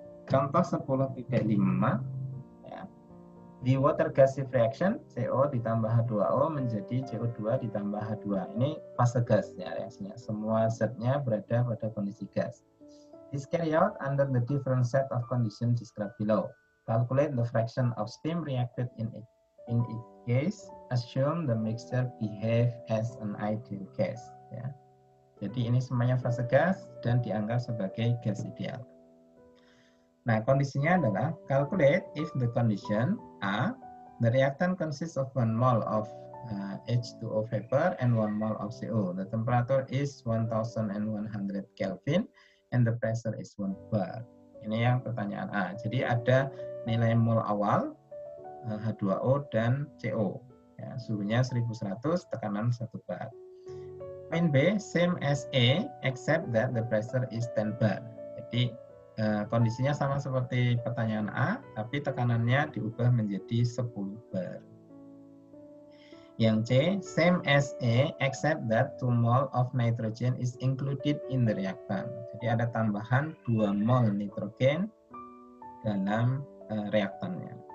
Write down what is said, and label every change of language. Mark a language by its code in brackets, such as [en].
[id] Contoh 10.5 ya. Di water gasif reaction CO ditambah H2O menjadi CO2 ditambah H2. Ini fase gas ya reaksinya. Semua zatnya berada pada kondisi gas. [en] Is carried out under the different set of conditions described below. Calculate the fraction of steam reacted in each case. Assume the mixture behave as an ideal gas. [id] Ya. Jadi ini semuanya fase gas dan dianggap sebagai gas ideal. Nah, kondisinya adalah [en] calculate if the condition A, the reactant consists of 1 mole of H2O vapor and 1 mole of CO. The temperature is 1100 Kelvin and the pressure is 1 bar. [id] Ini yang pertanyaan A. Jadi ada nilai mole awal H2O dan CO. Ya, suhunya 1100, tekanan 1 bar. [en] Point B, same as A except that the pressure is 10 bar. [id] Jadi kondisinya sama seperti pertanyaan A, tapi tekanannya diubah menjadi 10 bar. [en] Yang C, same as A, except that 2 mol of nitrogen is included in the reactant. [id] Jadi ada tambahan 2 mol nitrogen dalam reaktannya.